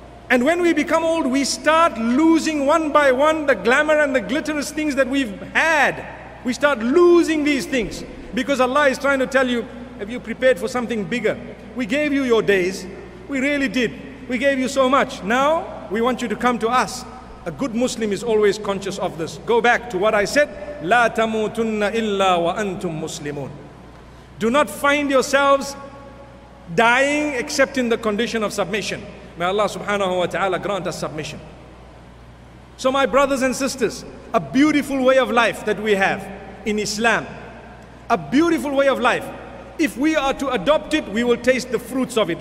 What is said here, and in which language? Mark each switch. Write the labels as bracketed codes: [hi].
[en] And when we become old, we start losing one by one the glamour and the glitterous things that we've had. We start losing these things. Because Allah is trying to tell you, have you prepared for something bigger? We gave you your days. We really did. We gave you so much. Now, we want you to come to us. A good Muslim is always conscious of this. Go back to what I said. [ar] لا تموتن إلا وأنتم مسلمون. [en] Do not find yourselves dying except in the condition of submission. May Allah subhanahu wa ta'ala grant us submission. So my brothers and sisters, a beautiful way of life that we have in Islam. A beautiful way of life. If we are to adopt it, we will taste the fruits of it.